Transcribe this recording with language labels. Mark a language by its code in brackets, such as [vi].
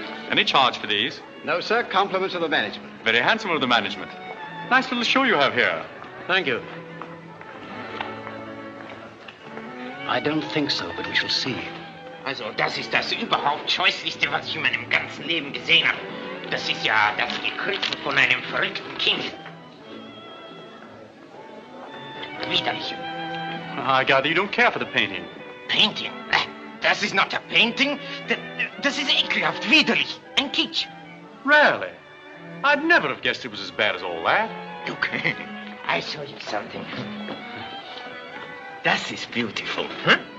[en] Any charge for these? No, sir. Compliments of the management. Very handsome of the management. Nice little show you have here. Thank you. I don't think so, but we shall see. [de] Also, das ist das überhaupt, was ich in meinem ganzen Leben gesehen habe. Das ist ja das Gekriegen von einem verrückten Kind. Widerlich. [en] I gather you don't care for the painting. Painting? [de] Das ist [en] not a painting. [de] Das ist ekelhaft, widerlich. Ein Kitsch. [en] Really? I'd never have guessed it was as bad as all that. Look, I show you something. [de] Das ist [en] beautiful, huh?